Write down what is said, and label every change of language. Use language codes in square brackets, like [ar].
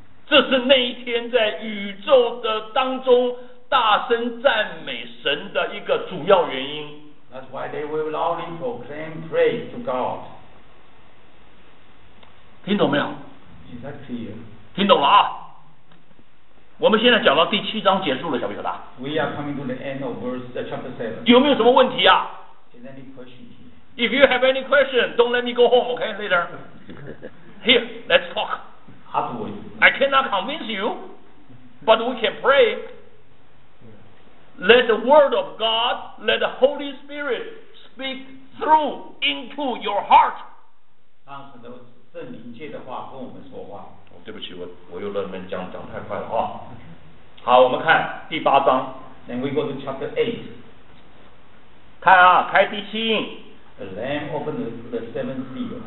[zh] 这是那一天在宇宙的当中大声赞美神的一个主要原因 [en] That's why they will loudly proclaim praise to God [zh] 听懂没有 [en] Is that clear? [zh] 听懂了啊我们现在讲到第七章结束了晓不晓得 [en] We are coming to the end of verse chapter 7 [zh] 有没有什么问题啊 [en] Is there any question? If you have any question, don't let me go home, okay, later. Here, let's talk. I cannot convince you, but we can pray. Let the word of God, let the Holy Spirit speak through into your heart. [zh] 让神的圣灵借着话跟我们说话。 Oh, 对不起，我又让你们讲太快了啊。好，我们看第八章。 [en] Then we go to chapter 8. [zh] 看啊，开第七印。 [en] The Lamb opened the seventh seal.